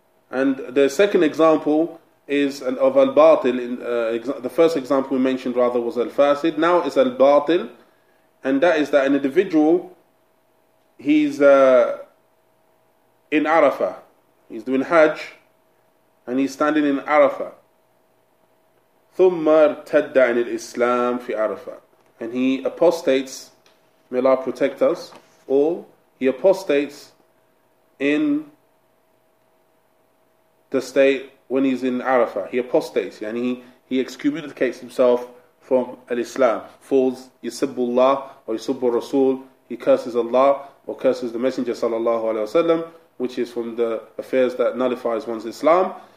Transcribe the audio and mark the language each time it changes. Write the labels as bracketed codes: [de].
[en] And the second example is of al batil. The first example we mentioned rather was al fasid. Now it's al batil. And that is that an individual, he's in Arafah, he's doing Hajj, and he's standing in Arafah. [ar] ثُمَّ ارْتَدَّ عَنِ الْإِسْلَامِ فِي Arafah. [en] And he apostates, may Allah protect us all, he apostates in the state when he's in Arafah. He apostates, and he excommunicates himself from al-Islam, falls, [ar] يُسَبُّ اللَّهِ [en] or [ar] يُسَبُّ الرَّسُولِ, [en] he curses Allah or curses the Messenger sallallahu alayhi wa sallam, which is from the affairs that nullifies one's Islam.